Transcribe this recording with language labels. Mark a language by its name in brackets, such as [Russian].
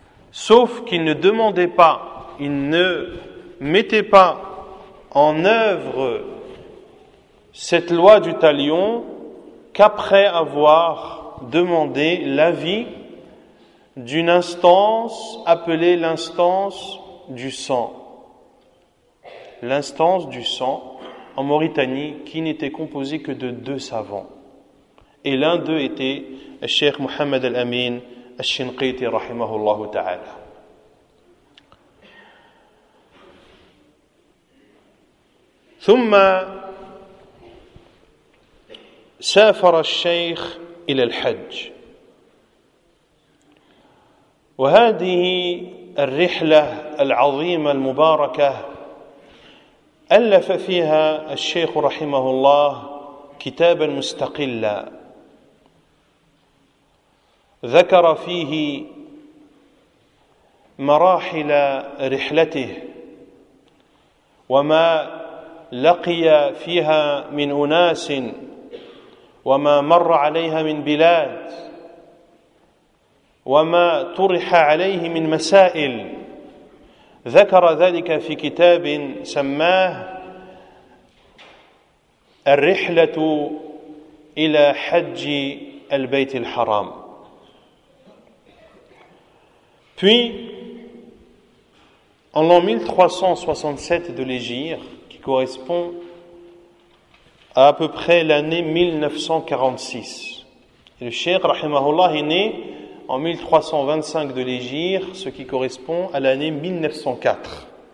[French] Sauf qu'ils ne demandaient pas, ils ne mettaient pas en œuvre cette loi du talion qu'après avoir demandé l'avis d'une instance appelée l'instance du sang. L'instance du sang en Mauritanie qui n'était composée que de deux savants. Et l'un d'eux était Cheikh Mohamed Al-Amin Al-Shinqiti rahimahullah ta'ala. [Arabic] ثم سافر الشيخ إلى الحج وهذه الرحلة العظيمة المباركة ألف فيها الشيخ رحمه الله كتابا مستقلا ذكر فيه مراحل رحلته وما لقي فيها من أناس وما مر عليها من بلاد وما طرح عليه من مسائل ذكر ذلك في كتاب سماه الرحلة إلى حج البيت الحرام. [French] Puis, en l'an 1367 de l'Hégire, qui correspond à peu près l'année 1946, le Cheikh, rahimahullah, est né en 1325 de l'Hégire, ce qui correspond à l'année 1904.